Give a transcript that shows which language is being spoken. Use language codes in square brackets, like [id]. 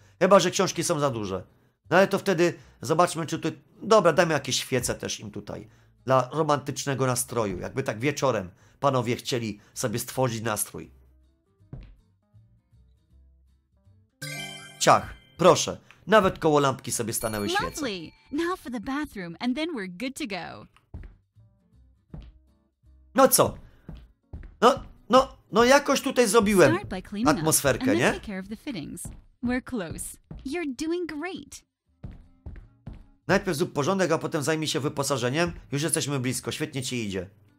[pl] Chyba, że książki są za duże. No ale to wtedy zobaczmy, czy tutaj... Dobra, dajmy jakieś świece też im tutaj. Dla romantycznego nastroju. Jakby tak wieczorem panowie chcieli sobie stworzyć nastrój. Ciach, proszę. Nawet koło lampki sobie stanęły świece. [en] Now for the bathroom, and then we're good to go. [pl] No co? No jakoś tutaj zrobiłem atmosferkę, nie? [en] We're close. You're doing great. [pl] Najpierw zrób porządek, a potem zajmij się wyposażeniem. Już jesteśmy blisko, świetnie ci idzie.